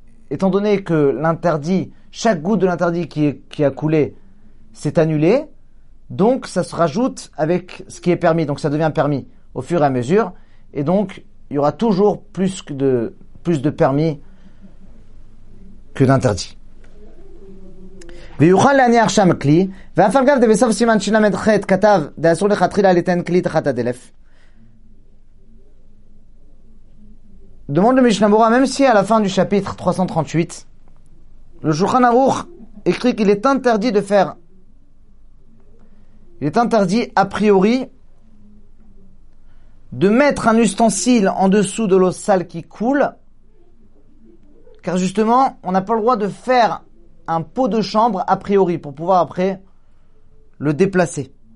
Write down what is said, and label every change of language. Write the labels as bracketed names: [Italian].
[French] étant donné que l'interdit, chaque goutte de l'interdit qui a coulé s'est annulé, donc ça se rajoute avec ce qui est permis, donc ça devient permis au fur et à mesure, et donc il y aura toujours plus de permis que d'interdit. [Hebrew] ויוכל להניח שם כלי, ואף על גב דה בסוף סימן שלמד חטא כתב, דאסור לך תחילה לתן כלי תחת הדלף. [French] Demande le Mishnah Berurah, même si à la fin du chapitre 338, le Shulchan Aruch écrit qu'il est interdit de faire... il est interdit, a priori, de mettre un ustensile en dessous de l'eau sale qui coule, car justement, on n'a pas le droit de faire un pot de chambre, a priori, pour pouvoir après le déplacer.